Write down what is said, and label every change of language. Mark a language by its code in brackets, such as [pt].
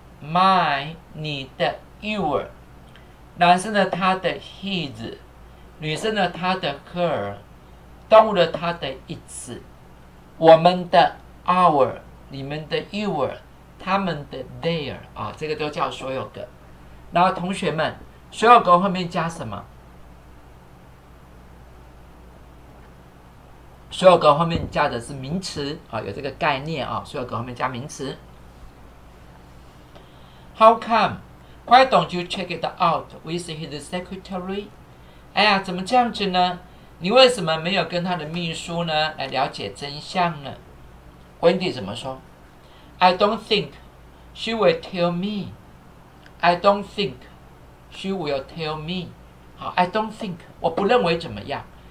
[zh] my 你的 your， 男生的他的 his， 女生的他的 her， 动物的他的 its， 我们的 our， 你们的 your， 他们的 their 啊，这个都叫所有格。然后同学们，所有格后面加什么？所有格后面加的是名词啊，有这个概念啊，所有格后面加名词。 [en] How come? Why don't you check it out with his secretary? [zh] 哎呀，怎么这样子呢？你为什么没有跟他的秘书呢来了解真相呢？ Wendy 怎么说？ [en] I don't think she will tell me. I don't think she will tell me. [zh] 好， [en] I don't think， [zh] 我不认为怎么样。